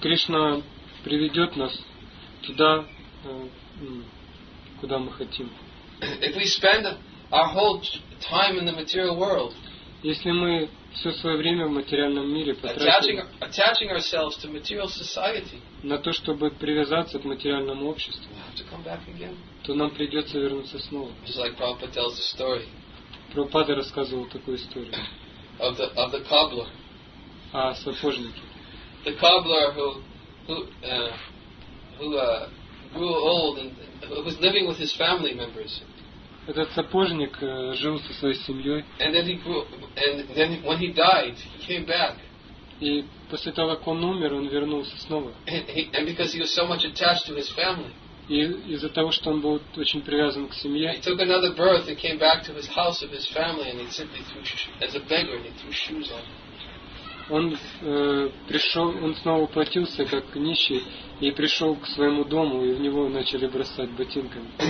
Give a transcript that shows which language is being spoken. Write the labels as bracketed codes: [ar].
[ru] Кришна приведет нас туда, куда мы хотим. [en] If we spend our whole time in the material world, [ru] если мы все свое время в материальном мире потратим, [en] attaching ourselves to material society, [ru] на то, чтобы привязаться к материальному обществу, [en] to come back again, [ru] то нам придется вернуться снова. [en] Just like Prabhupada tells the story, [ru] Прабхупада рассказывал такую историю [en] of the cobbler, [ru] о сапожнике. [en] The cobbler who grew old and who was living with his family members. [ru] Этот сапожник жил со своей семьей. [en] And then he grew, and then when he died, he came back. [ru] И после того, как он умер, он вернулся снова. [en] And because he was so much attached to his family. [ru] И из-за того, что он был очень привязан к семье. [en] He took another birth and came back to his house of his family, and he simply threw as a beggar, and he threw shoes on. [ru] Он пришел, он снова воплотился как нищий и пришел к своему дому, и в него начали бросать ботинками.